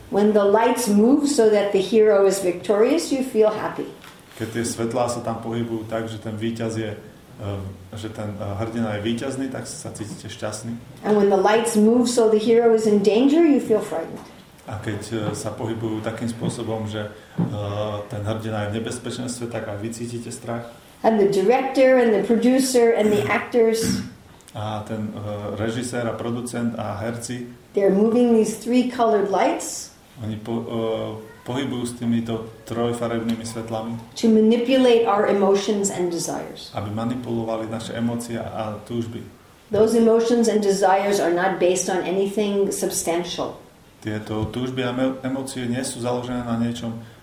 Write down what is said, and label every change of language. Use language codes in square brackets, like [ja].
[en] When the lights move so that the hero is victorious, you feel happy. [sk] Keď tie svetlá sa tam pohybujú tak, že ten víťaz je, že ten hrdina je víťazný, tak sa cítite šťastný. [en] And when the lights move so the hero is in danger, you feel frightened. [sk] A keď sa pohybujú takým spôsobom, že ten hrdina je v nebezpečenstve, tak aj vy cítite strach. [en] And the director and the producer and the actors. [sk] A ten režisér a producent a herci. [en] They're moving these three colored lights. [sk] Oni pohybujú s týmito trojfarebnými svetlami. [en] To manipulate our emotions and desires. [sk] Aby manipulovali naše emócie a túžby. [en] Those emotions and desires are not based on anything substantial. [sk] Tieto túžby a emócie nie sú založené na niečom